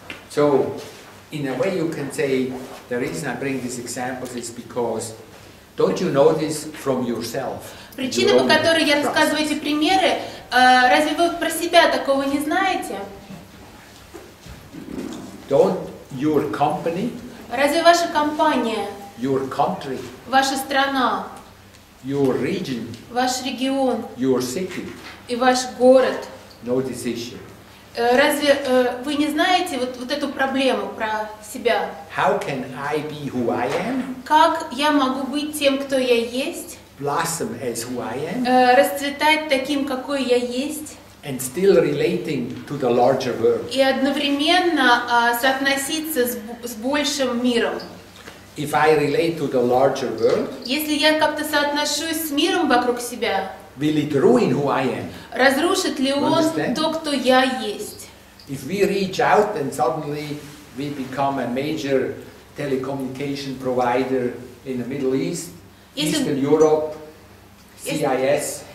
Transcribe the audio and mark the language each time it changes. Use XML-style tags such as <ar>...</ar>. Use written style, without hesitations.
<en>So, in a way, you can say the reason I bring these examples is because don't you know this from yourself?</en> <ru>Причина, по которой я рассказываю эти примеры, разве вы про себя такого не знаете?</ru> <en>Don't your company?</en> <ru>Разве ваша компания?</ru> <en>Your country?</en> <ru>Ваша страна?</ru> <en>Your region,</en> <ru>ваш регион,</ru> <en>your city,</en> <ru>и ваш город.</ru> <en>Know this issue.</en> <ru>Разве вы не знаете вот эту проблему про себя?</ru> <en>How can I be who I am?</en> <ru>Как я могу быть тем, кто я есть?</ru> <en>Blossom as who I am.</en> <ru>Расцветать таким, какой я есть.</ru> <en>And still relating to the larger world.</en> <ru>И одновременно соотноситься с большим миром.</ru> <en>If I relate to the larger world,</en> <ru>если я как-то соотношусь с миром вокруг себя,</ru> <en>will it ruin who I am?</en> <ru>Разрушит ли он то, кто я есть?</ru> <en>If we reach out and suddenly we become a major telecommunication provider in the Middle East, Eastern Europe, CIS.</en>